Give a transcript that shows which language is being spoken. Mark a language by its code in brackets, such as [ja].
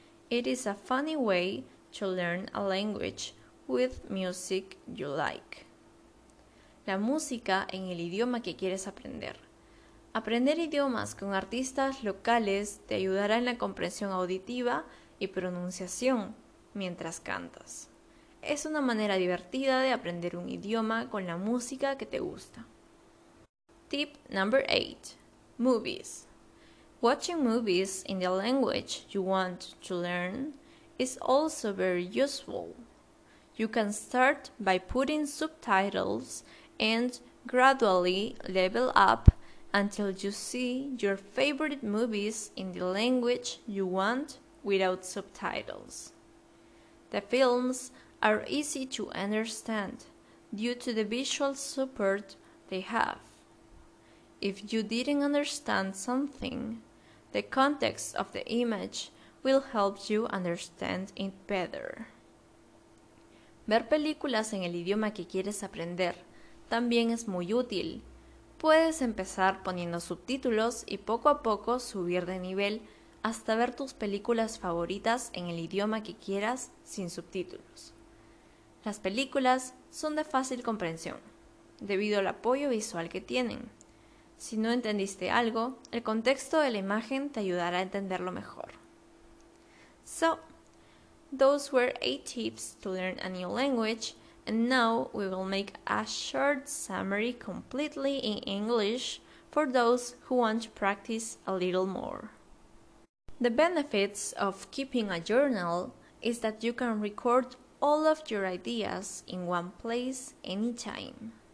[en] It is a funny way to learn a language with music you like. [es] La música en el idioma que quieres aprender. Aprender idiomas con artistas locales te ayudará en la comprensión auditiva y pronunciación mientras cantas. Es una manera divertida de aprender un idioma con la música que te gusta. [en] Tip number 8. Movies. Watching movies in the language you want to learn is also very useful. You can start by putting subtitles and gradually level up until you see your favorite movies in the language you want without subtitles. The films are easy to understand due to the visual support they have. If you didn't understand something, the context of the image will help you understand it better. [es] Ver películas en el idioma que quieres aprender también es muy útil. Puedes empezar poniendo subtítulos y poco a poco subir de nivel hasta ver tus películas favoritas en el idioma que quieras sin subtítulos. Las películas son de fácil comprensión, debido al apoyo visual que tienen. Si no entendiste algo, el contexto de la imagen te ayudará a entenderlo mejor. [en] So, those were 8 tips to learn a new language. And now we will make a short summary completely in English for those who want to practice a little more. The benefits of keeping a journal is that you can record all of your ideas in one place anytime.